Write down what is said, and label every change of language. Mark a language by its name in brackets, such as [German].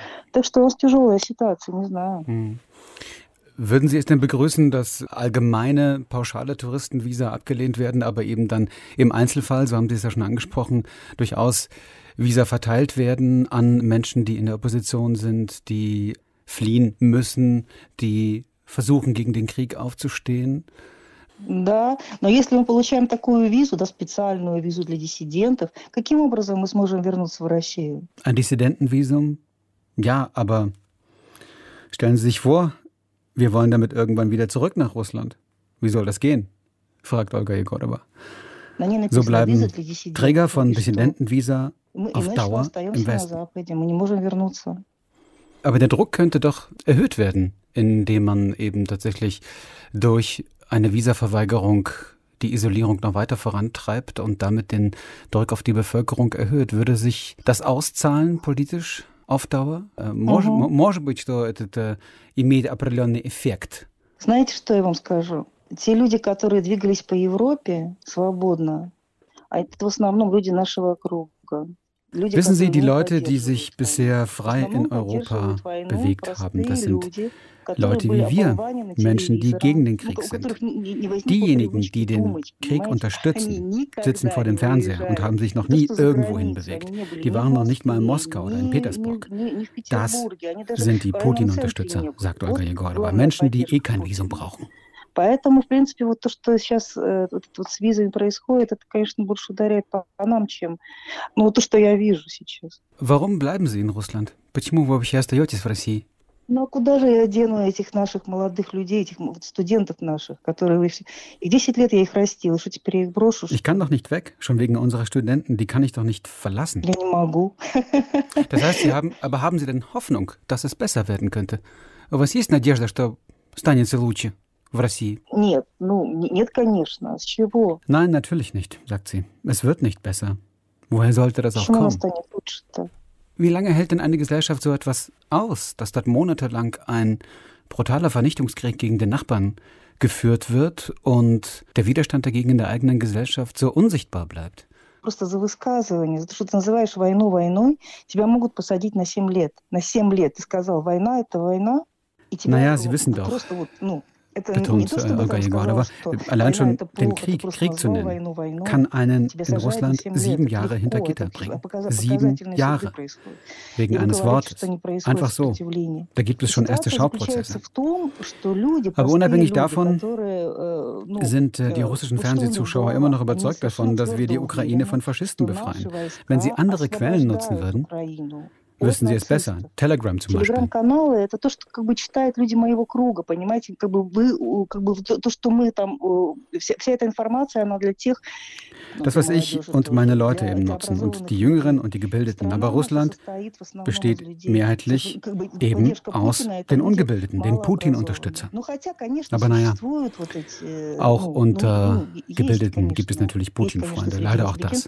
[Russian] Так что у нас тяжелая ситуация, не знаю. [German] Würden Sie es denn begrüßen, dass allgemeine pauschale Touristenvisa abgelehnt werden, aber eben dann im Einzelfall, so haben Sie es ja schon angesprochen, durchaus Visa verteilt werden an Menschen, die in der Opposition sind, die fliehen müssen, die versuchen, gegen den Krieg aufzustehen? [Russian] Да, но если мы получаем такую визу, да, специальную визу для диссидентов, каким образом мы сможем вернуться в Россию? [German] Ein Dissidentenvisum? Ja, aber stellen Sie sich vor, wir wollen damit irgendwann wieder zurück nach Russland. Wie soll das gehen? Fragt Olga Jegorova. So bleiben Träger von Dissidentenvisa auf Dauer im Westen. Aber der Druck könnte doch erhöht werden, indem man eben tatsächlich durch eine Visaverweigerung die Isolierung noch weiter vorantreibt und damit den Druck auf die Bevölkerung erhöht. Würde sich das auszahlen politisch? Auf Dauer? [Russian] Может быть, что этот имеет определенный эффект? Знаете, что я вам скажу? Те люди, которые двигались по Европе свободно, а это в основном люди нашего круга. [German] Wissen Sie, die Leute, die sich bisher frei in Europa bewegt haben, das sind Leute wie wir, Menschen, die gegen den Krieg sind. Diejenigen, die den Krieg unterstützen, sitzen vor dem Fernseher und haben sich noch nie irgendwohin bewegt. Die waren noch nicht mal in Moskau oder in Petersburg. Das sind die Putin-Unterstützer, sagt Olga Jegorova, Menschen, die eh kein Visum brauchen. [Russian] Поэтому, в принципе, вот то, что сейчас вот с визами происходит, это, конечно, больше ударяет по нам, чем... Ну, то, что я вижу сейчас. [German] Warum bleiben Sie in Russland? [Russian] Почему вы вообще остаетесь в России? Ну, а куда же я дену этих наших молодых людей, этих вот студентов наших, которые... И 10 лет я их растила, что теперь я их брошу? [German] Ich kann doch nicht weg, schon wegen unserer Studenten, die kann ich doch nicht verlassen. [Russian] Я не могу. [German] Das heißt, Sie haben... Aber haben Sie denn Hoffnung, dass es besser werden könnte? Was ist [Russian] Надежда, что станется лучше? В России. Нет, ну, нет, конечно. С чего? [German] Nein, natürlich nicht, sagt sie. Es wird nicht besser. Woher sollte das auch kommen? [Russian] Почему станет лучше-то? [German] Wie lange hält denn eine Gesellschaft so etwas aus, dass dort monatelang ein brutaler Vernichtungskrieg gegen den Nachbarn geführt wird und der Widerstand dagegen in der eigenen Gesellschaft so unsichtbar bleibt? [Russian] Просто за высказывание, за то, что ты называешь войну войной, тебя могут посадить на 7 лет. На 7 лет. Ты сказал, война – это война. И тебя [German] naja, Sie wissen doch. [Russian] Просто вот, ну, [German] betont Olga Jegorova, allein schon den Krieg zu nennen, kann einen in Russland 7 Jahre hinter Gitter bringen. 7 Jahre. Wegen eines Wortes. Einfach so. Da gibt es schon erste Schauprozesse. Aber unabhängig davon sind die russischen Fernsehzuschauer immer noch überzeugt davon, dass wir die Ukraine von Faschisten befreien. Wenn sie andere Quellen nutzen würden, wissen Sie es besser? Telegram zum Beispiel. [Russian] Телеграм-каналы – это то, что как бы читают люди моего круга, понимаете? Как бы вы, как бы то, что мы там, вся эта информация, она для тех. [German] Das, was ich und meine Leute eben nutzen und die Jüngeren und die Gebildeten. Aber Russland besteht mehrheitlich eben aus den Ungebildeten, den Putin-Unterstützern. Aber naja, auch unter Gebildeten gibt es natürlich Putin-Freunde. Leider auch das.